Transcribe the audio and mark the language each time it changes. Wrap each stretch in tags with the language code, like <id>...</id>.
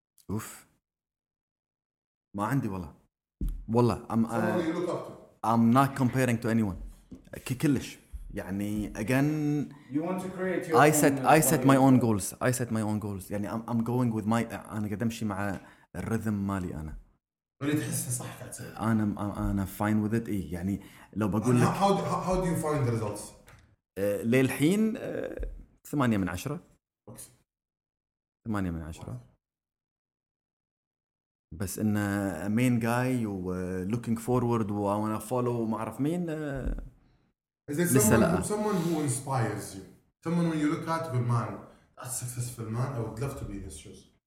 <en>أوف</en> <ar>ما عندي والله</ar> <en>I'm not comparing to anyone.</en> <ar>كلش يعني again.</ar> <en>You want to create your I set my own goals. يعني I'm going with my.</en> <ar>أنا قاعد أمشي مع الرذم مالي أنا. واللي تحسه صح كاتب.</ar> <en>أنا fine with it.</en> <ar>إيه يعني لو بقول لك.</ar> <en>How do you find the results?</en> <ar>للحين 8/10. ثمانية من عشرة. بس إن</ar> <en>main guy</en> <ar>و</ar> <en>looking forward</en> <ar>و أنا follow ما أعرف مين. لسه لا.</ar> <en>someone who inspires you, someone when you look at the man, a successful man, I would love to be his shoes.</en>